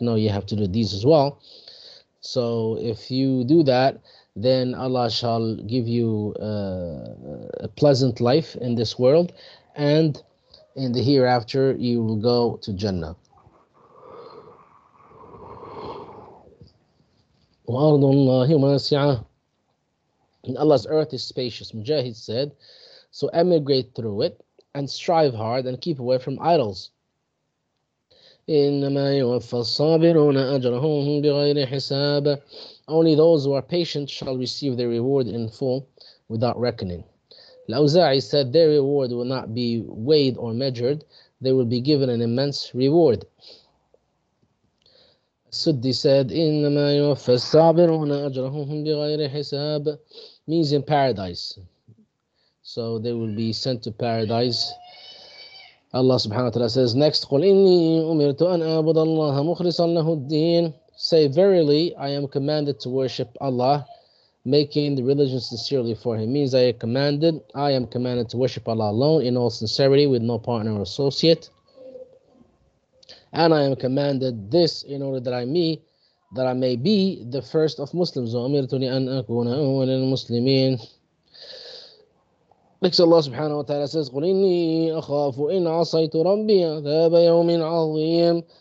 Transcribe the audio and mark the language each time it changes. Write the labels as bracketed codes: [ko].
[en] No, you have to do deeds as well. So if you do that, then Allah shall give you a pleasant life in this world, and in the hereafter you will go to Jannah. [ar] وَأَرْضُ اللَّهِ وَاسِعَةٌ. [en] And Allah's earth is spacious, Mujahid said. So emigrate through it, and strive hard, and keep away from idols. [ar] إنما يوفى الصابرون أجرهم بغير حساب. [en] Only those who are patient shall receive their reward in full without reckoning. الأوزاعي said their reward will not be weighed or measured. They will be given an immense reward. [ar] السدي [en] said [ar] إنما يوفى الصابرون أجرهم بغير حساب [en] means in paradise. So they will be sent to paradise. Allah subhanahu wa ta'ala says next, [ar] قُلْ إِنِّي أُمِرْتُ أَنْ أَعْبُدَ اللَّهَ مُخْلِصًا لَهُ الدِّينَ. [en] Say, verily, I am commanded to worship Allah, making the religion sincerely for Him. Means I am commanded to worship Allah alone in all sincerity with no partner or associate. And I am commanded this in order that I may be the first of Muslims. [ar] وَأُمِرْتُ لِأَنْ أَكُونَ أَوَّلَ الْمُسْلِمِينَ. [en] Next, Allah subhanahu wa ta'ala says, [ar] قُلْ إِنِّي أَخَافُ إِنْ عَصَيْتُ رَبِّي عَذَابَ يَوْمٍ عَظِيمٍ.